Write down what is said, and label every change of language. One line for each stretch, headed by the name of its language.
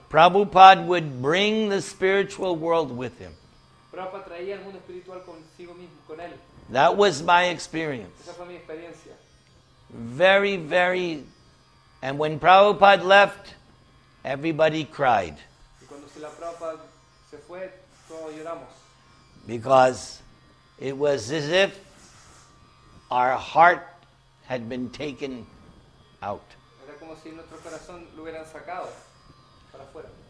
English: Prabhupada would bring the spiritual world with him.
Spanish: Prabhupada traía el mundo espiritual consigo mismo, con él.
English: That was my experience.
Spanish: Esa fue mi experiencia.
English: Very, very, and when Prabhupada left, everybody cried.
Spanish: Y cuando si la Prabhupada se fue, todos lloramos.
English: Because it was as if our heart had been taken out.
Spanish: Era como si nuestro corazón lo hubieran sacado para afuera.